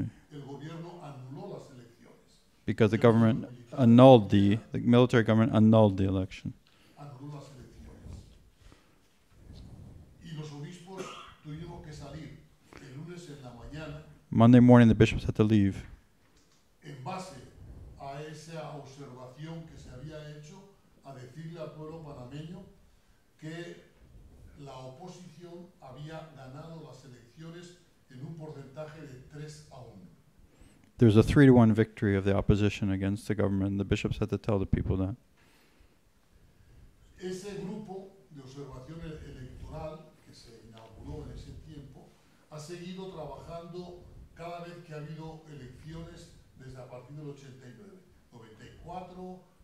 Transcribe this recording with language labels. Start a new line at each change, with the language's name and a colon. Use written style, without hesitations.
Spanish: El gobierno anuló las elecciones.
English: Because the government annulled the military government annulled the election.
Spanish: Anuló las elecciones. Y los obispos tuvieron que salir el lunes en la mañana.
English: Monday morning the bishops had to leave.
Spanish: En base a esa observación que se había hecho, a decirle al pueblo panameño que la oposición había ganado las elecciones en un porcentaje de 3-1.
English: There's a 3-1 victory of the opposition against the government. The bishops had to tell the people that.
Spanish: Ese grupo de observación electoral que se inauguró en ese tiempo ha seguido trabajando cada vez que ha habido elecciones desde a partir del 89. 94,